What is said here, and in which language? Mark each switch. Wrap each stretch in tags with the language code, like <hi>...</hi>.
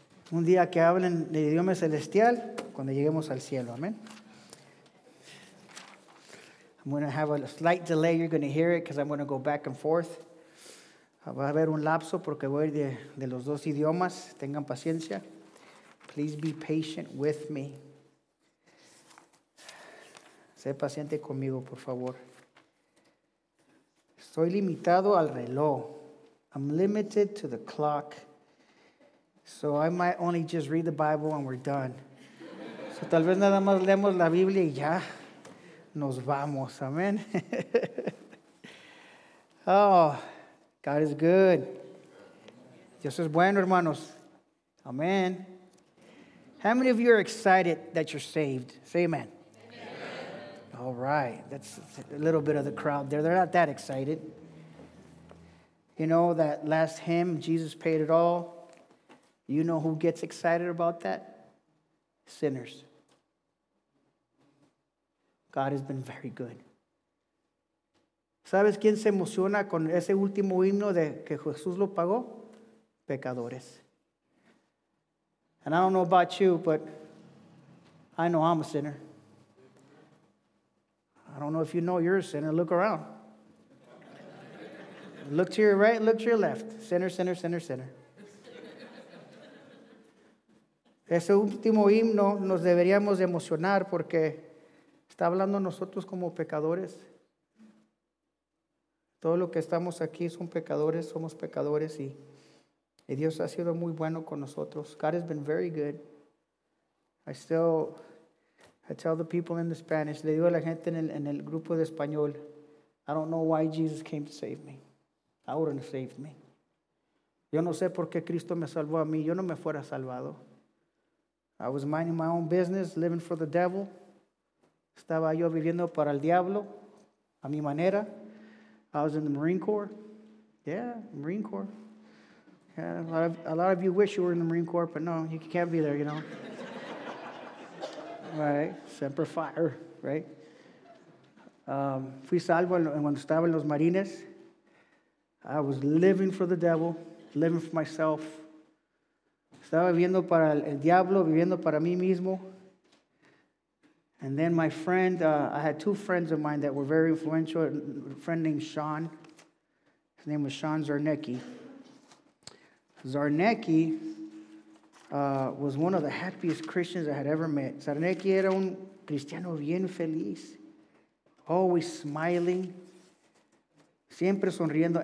<es>Un día que hablen de idioma celestial, cuando lleguemos al cielo.</es> <en>Amen. I'm going to have a slight delay. You're going to hear it because I'm going to go back and forth.</en> <es>Va a haber un lapso porque voy de los dos idiomas. Tengan paciencia.</es> <en>Please be patient with me.</en> <es>Sé paciente conmigo, por favor. Estoy limitado al reloj.</es> <en>I'm limited to the clock. So I might only just read the Bible and we're done.</en> <es>So tal vez nada más leemos la Biblia y ya nos vamos.</es> <en>Amen. Oh, God is good.</en> <es>Dios es bueno, hermanos.</es> <en>Amen. How many of you are excited that you're saved? Say amen. Amen. All right. That's a little bit of the crowd there. They're not that excited. You know that last hymn, Jesus paid it all. You know who gets excited about that? Sinners. God has been very good.</en> <es>¿Sabes quién se emociona con ese último himno de que Jesús lo pagó? Pecadores.</es> <en>And I don't know about you, but I know I'm a sinner. I don't know if you know you're a sinner. Look around. Look to your right, look to your left. Sinner, sinner, sinner, sinner.</en> <es>Ese último himno nos deberíamos de emocionar porque está hablando nosotros como pecadores. Todo lo que estamos aquí son pecadores, somos pecadores y Dios ha sido muy bueno con nosotros.</es> <en>God has been very good. I tell the people in the Spanish,</en> <es>le digo a la gente en el grupo de español,</es> <en>I don't know why Jesus came to save me. I wouldn't have saved me.</en> <es>Yo no sé por qué Cristo me salvó a mí. Yo no me fuera salvado.</es> <en>I was minding my own business, living for the devil.</en> <es>Estaba yo viviendo para el diablo, a mi manera.</es> <en>I was in the Marine Corps. Yeah, Marine Corps. Yeah, a lot of you wish you were in the Marine Corps, but no, you can't be there, you know.</en> <es>Right, Semper Fi, right? Fui salvo cuando estaba en los Marines.</es> <en>I was living for the devil, living for myself.</en> <es>Estaba viviendo para el diablo, viviendo para mí mismo.</es> <en>And then my friend, I had two friends of mine that were very influential, a friend named Sean. His name was Sean Zarnecki. Zarnecki was one of the happiest Christians I had ever met.</en> <es>Zarnecki era un cristiano bien feliz,</es> <en>always smiling,</en> <es>siempre sonriendo.</es>